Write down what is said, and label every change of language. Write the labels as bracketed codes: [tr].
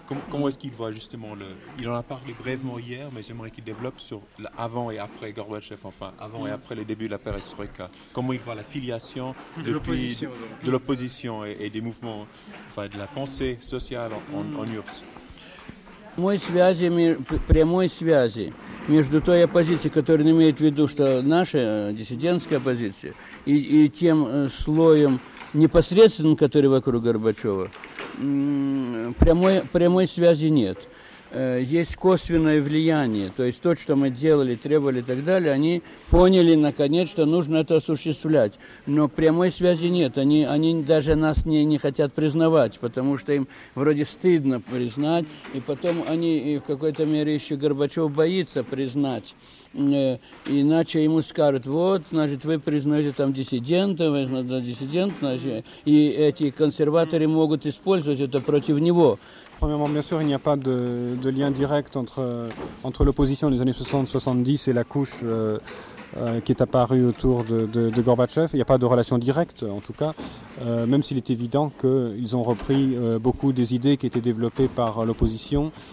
[fr] Comment est-ce qu'il voit justement le... Il en a parlé brièvement hier, mais j'aimerais qu'il développe sur l'avant et après Gorbatchev, enfin, avant et après les débuts de la perestroïka. Comment il voit la filiation de l'opposition et des mouvements, enfin, de la pensée sociale en URSS. [ru] Мои связи, прямой связи между той оппозицией, которая имеет в виду, что наша диссидентская оппозиция, и тем слоем непосредственным, который вокруг Горбачева, прямой связи нет. Есть косвенное влияние, то есть то, что мы делали, требовали и так далее, они поняли наконец, что нужно это осуществлять. Но прямой связи нет, они даже нас не хотят признавать, потому что им вроде стыдно признать, и потом они и в какой-то мере еще Горбачев боится признать. Иначе ему скажут, вот, значит, вы признаете там диссидента, вы знаете, диссидент, значит, и эти консерваторы могут использовать это против него. [fr] Premièrement, bien sûr, il n'y a pas de lien direct entre l'opposition des années 60-70 et la couche qui est apparue autour de Gorbatchev. Il n'y a pas de relation directe, en tout cas, même s'il est évident qu'ils ont repris beaucoup des idées qui étaient développées par l'opposition